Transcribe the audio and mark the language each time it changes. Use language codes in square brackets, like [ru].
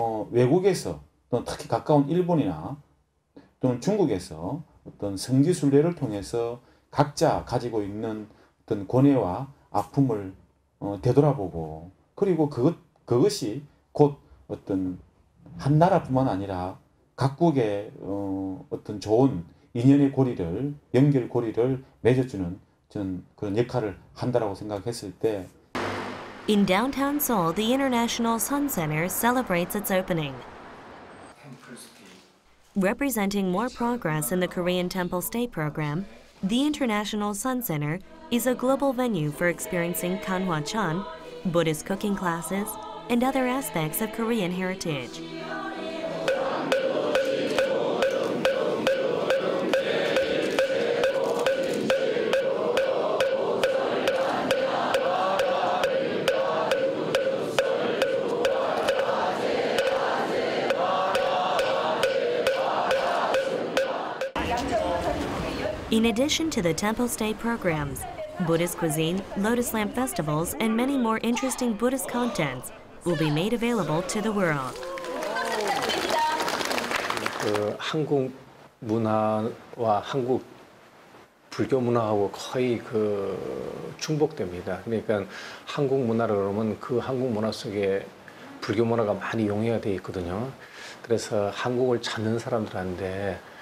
[ko] 외국에서 또는 특히 가까운 일본이나 또는 중국에서 어떤 성지 순례를 통해서 각자 가지고 있는 어떤 고뇌와 아픔을 되돌아보고 그리고 그것이 곧 어떤 한 나라뿐만 아니라 각국의 어떤 좋은 인연의 고리를 연결 고리를 맺어주는 전 그런 역할을 한다라고 생각했을 때. [en] In downtown Seoul, the International Sun Center celebrates its opening. Representing more progress in the Korean Temple Stay Program, the International Sun Center is a global venue for experiencing Kanhwa Chan, Buddhist cooking classes, and other aspects of Korean heritage. In addition to the temple stay programs, Buddhist cuisine, lotus lamp festivals, and many more interesting Buddhist contents will be made available to the world. [ko] 한국 문화와 한국 불교 문화하고 거의 그 중복됩니다. 그러니까 한국 문화를 그러면 그 한국 문화 속에 불교 문화가 많이 용해가 돼 있거든요. 그래서 한국을 찾는 사람들한테